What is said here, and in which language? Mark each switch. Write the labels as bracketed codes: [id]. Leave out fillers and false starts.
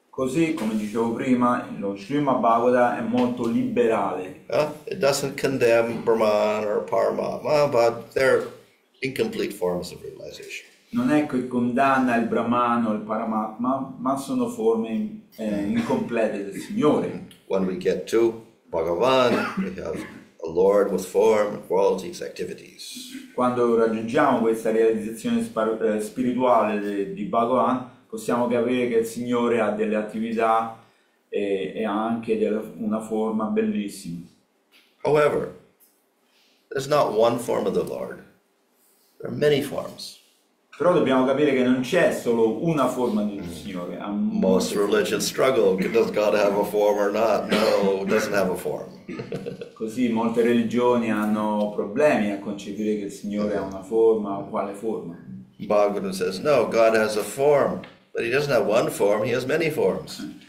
[it] Così, come dicevo prima, lo Srimad Bhagavatam è molto liberale. [en] It doesn't condemn Brahman or Paramatma, but they're incomplete forms of realization. [it] Non è che condanna il Brahman o il Paramatma, ma sono forme incomplete del Signore. [en] When we get to Bhagavan, we have a Lord with form, qualities, activities. [it] Quando raggiungiamo questa realizzazione spirituale di Bhagavan, possiamo capire che il Signore ha delle attività e anche una forma bellissima. [en] However, there's not one form of the Lord. There are many forms. [it] Però dobbiamo capire che non c'è solo una forma del Signore. [en] Most religions struggle. Does God have a form or not? No, doesn't have a form. [it] Così molte religioni hanno problemi a concepire che il Signore ha una forma o quale forma. [en] Bhagavan says, no, God has a form, but he doesn't have one form, he has many forms.